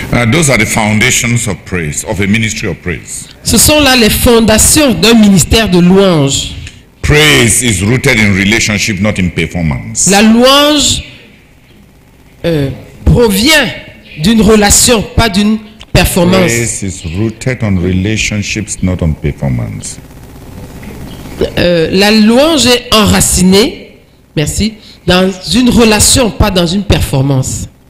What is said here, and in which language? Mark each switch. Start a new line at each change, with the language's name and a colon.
English: Those are the foundations of praise, of a ministry of praise.
French: Ce sont là les fondations d'un ministère de louange.
English: Praise is rooted in relationship, not in performance.
French: La louange provient d'une relation, pas d'une performance.
English: Grace is rooted on relationships, not on performance.
French: La louange est enracinée, merci, dans une relation, pas dans une performance.